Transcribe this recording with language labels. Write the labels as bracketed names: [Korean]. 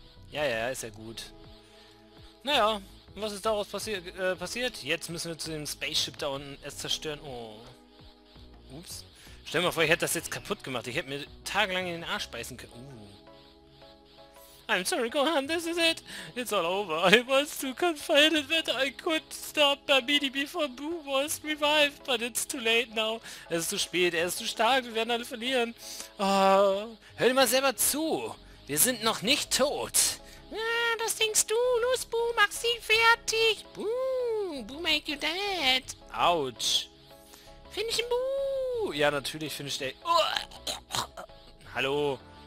[German] Ja, ja, ist ja gut. Naja, was ist daraus passiert? Jetzt müssen wir zu dem Spaceship da unten es zerstören. Oh. Ups. Stell dir mal vor, ich hätte das jetzt kaputt gemacht. Ich hätte mir tagelang in den Arsch beißen können. [English] I'm sorry, Gohan, this is it. It's all over. I was too confided that I could stop Babidi before Boo was revived. But it's too late now. [German] Es ist zu spät, er ist zu stark, wir werden alle verlieren. Oh. Hör dir mal selber zu. Wir sind noch nicht tot. Ah, das denkst du. Los, Boo, mach sie fertig. [English] Boo make you dead. Autsch. Finish him, Boo. [German] Ja, natürlich finisht er. Hallo.